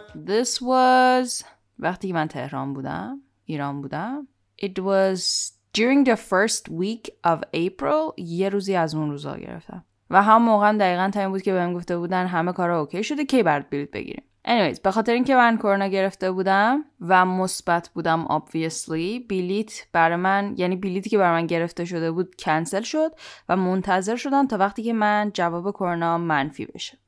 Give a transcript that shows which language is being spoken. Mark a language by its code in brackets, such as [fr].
[en] This was [fa] وقتی من تهران بودم، ایران بودم. [en] It was during the first week of April. [fa] یه روزی از اون روزا گرفتم و هم موقع دقیقاً تایم بود که بهم گفته بودن همه کارا اوکی شده که برات بلیط بگیریم. Anyways، به خاطر اینکه من کرونا گرفته بودم و مثبت بودم obviously، بلیط برای من، یعنی بلیطی که برای من گرفته شده بود کنسل شد و منتظر شدن تا وقتی که من جواب کرونا منفی بشه.